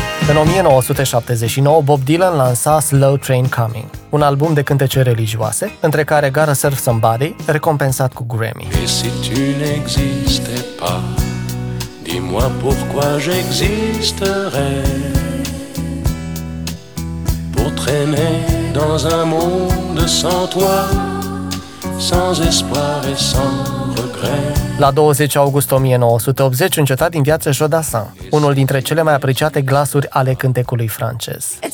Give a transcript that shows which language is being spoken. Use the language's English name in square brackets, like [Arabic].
[Romanian] În 1979, Bob Dylan lansa Slow Train Coming, un album de cântece religioase, între care Gotta Serve Somebody, recompensat cu Grammy. [French] Si tu n'existais pas, dis-moi pourquoi j'existerais. Pour traîner dans un monde sans toi, sans espoir et sans regret. [Romanian] La 20 august 1980, încetat din viață Joe Dassin, unul dintre cele mai apreciate glasuri ale cântecului francez.